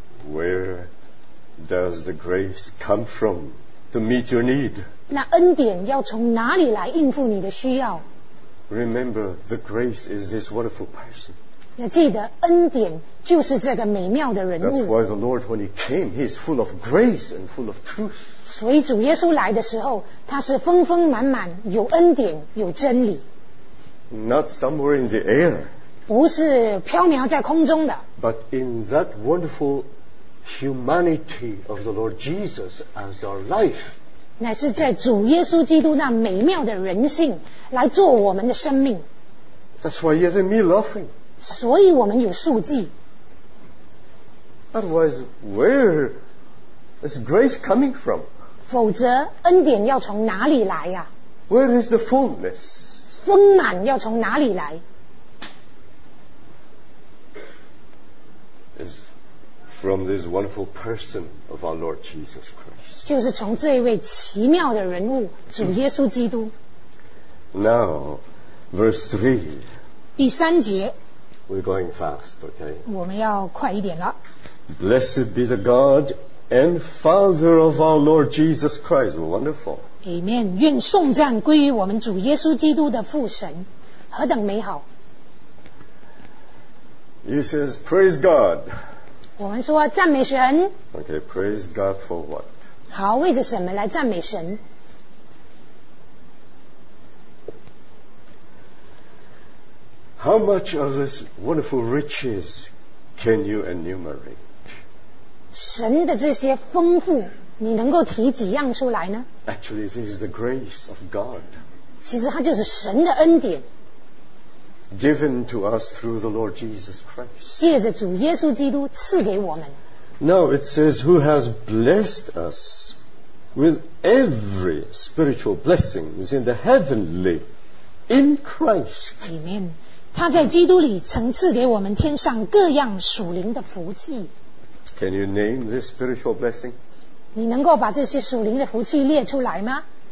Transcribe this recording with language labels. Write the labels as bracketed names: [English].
[English] Where does the grace come from to meet your need? [Chinese] 那恩典要从哪里来应付你的需要? [English] Remember, the grace is this wonderful person. [Chinese] 要记得恩典就是这个美妙的人物。 [English] That's why the Lord, when he came, he is full of grace and full of truth. [Chinese] 所以主耶稣来的时候, 他是丰丰满满, 有恩典, 有真理。 [English] Not somewhere in the air, [Chinese] 不是飘渺在空中的, [English] but in that wonderful humanity of the Lord Jesus as our life, [Chinese] 乃是在主耶稣基督那美妙的人性, 来做我们的生命。 [English] That's why you have a meal offering, [Chinese] 所以我们有素祭。 [English] Otherwise, where is grace coming from? [Chinese] 否则恩典要从哪里来呀、 [English] 啊、Where is the fullness? [Chinese] 丰满要从哪里来？ [English] Is from this wonderful person of our Lord Jesus Christ. [Chinese] 就是从这位奇妙的人物主耶稣基督。 [English] Now, verse 3. [Chinese] 第三节。 [English] We're going fast, okay? [Chinese] 我们要快一点了。 [English] Blessed be the God and Father of our Lord Jesus Christ. Wonderful. Amen. [Chinese] 愿颂赞归于我们主耶稣基督的父神。何等美好。 [English] He says, praise God. [Chinese] 我们说赞美神。 [English] Okay, praise God for what? [Chinese] 好，为着什么来赞美神？ [English] How much of this wonderful riches can you enumerate? [Chinese] 神的这些丰富，你能够提几样出来呢？ [English] Actually, this is the grace of God. [Chinese] 其实它就是神的恩典。 [English] Given to us through the Lord Jesus Christ. [Chinese] 借着主耶稣基督赐给我们。 [English] Now it says, who has blessed us with every spiritual blessing is in the heavenly in Christ. Amen. [Chinese] 他在基督里曾赐给我们天上各样属灵的福气。 [English] Can you name this spiritual blessing? [Chinese] 你能够把这些属灵的福气列出来吗？